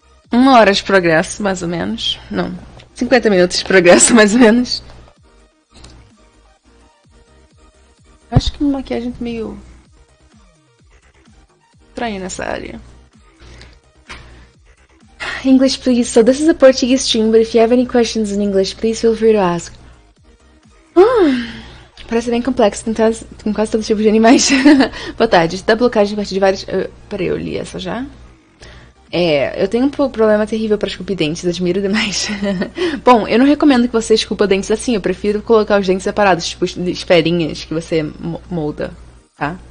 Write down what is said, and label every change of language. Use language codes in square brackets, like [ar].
[pt] Uma hora de progresso, mais ou menos. Não, 50 minutos de progresso, mais ou menos. Acho que maquiagem tá meio estranha nessa área. [en] English, please. So this is a Portuguese stream, but if you have any questions in English, please feel free to ask. [pt] Parece bem complexo, com quase todo tipo de animais. Boa tarde. Da blocagem parte de vários. Peraí, eu li essa já. Eu tenho um problema terrível para esculpir dentes, admiro demais. Bom, eu não recomendo que você esculpa dentes assim, eu prefiro colocar os dentes separados, tipo esferinhas que você molda, tá?